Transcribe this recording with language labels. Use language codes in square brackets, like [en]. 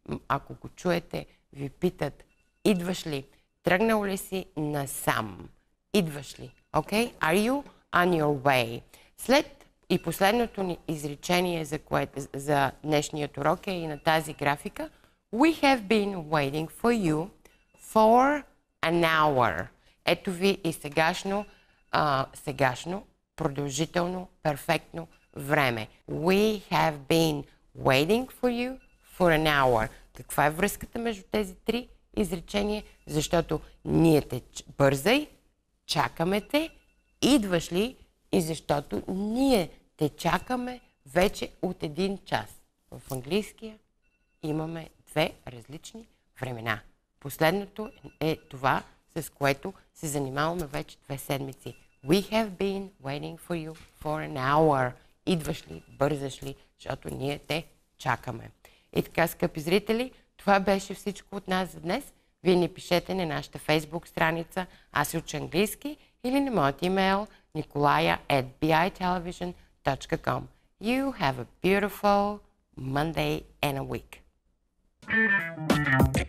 [bg] Ако го чуете, ви питат. Идваш ли? Тръгнал ли си насам? Идваш ли? Окей? Okay? [en] Are you on your way? [bg] След и последното ни изречение за днешният урок е и на тази графика. [en] We have been waiting for you for an hour. [bg] Ето ви и сегашно, продължително, перфектно време. [en] We have been waiting for you for an hour. [bg] Каква е връзката между тези три изречения? Защото ние те бързай, чакаме те, идваш ли? И защото ние те чакаме вече от един час. В английския имаме две различни времена. Последното е това, с което се занимаваме вече две седмици. [en] We have been waiting for you for an hour. [bg] Идваш ли, бързаш ли, защото ние те чакаме. И така, скъпи зрители, това беше всичко от нас за днес. Вие ни пишете на нашата Facebook страница Аз уча английски или на моят имейл nikolaya@bitelevision.com. [en] You have a beautiful Monday and a week.